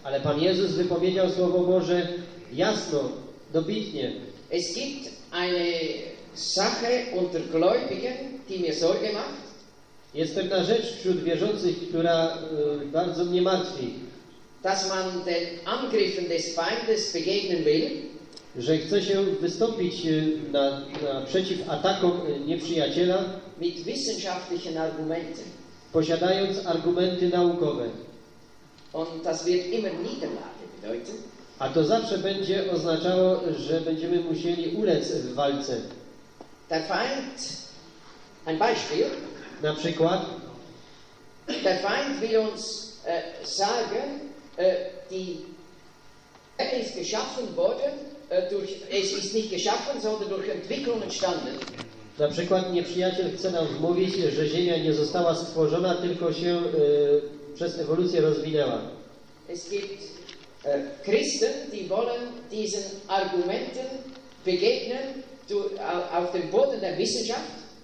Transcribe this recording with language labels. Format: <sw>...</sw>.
<pl>Ale Pan Jezus wypowiedział Słowo Boże jasno, dobitnie.</pl> <de>Es gibt eine Sache unter Gläubigen, die mir Sorge macht.</de> <pl>Jest pewna rzecz wśród wierzących, która bardzo mnie martwi.</pl> <de>Dass man den Angriffen des Feindes begegnen will.</de> <pl>Że chce się wystąpić na przeciw atakom nieprzyjaciela</pl> <de>mit wissenschaftlichen Argumenten.</de> <pl>Posiadając argumenty naukowe.</pl> <de>Und das wird immer Niederlage bedeuten.</de> <pl>A to zawsze będzie oznaczało, że będziemy musieli ulec w walce.</pl> <de>Der Feind, ein Beispiel.</de> <pl>Na przykład.</pl> <de>Der Feind will uns sagen, die Welt ist geschaffen worden durch, es ist nicht geschaffen, sondern durch Entwicklung entstanden.</de> <pl>Na przykład nieprzyjaciel chce nam wmówić, że Ziemia nie została stworzona, tylko się przez ewolucję rozwinęła.</pl> <de>Es gibt Christen, die wollen diesen Argumenten begegnen auf dem Boden der Wissenschaft.</de>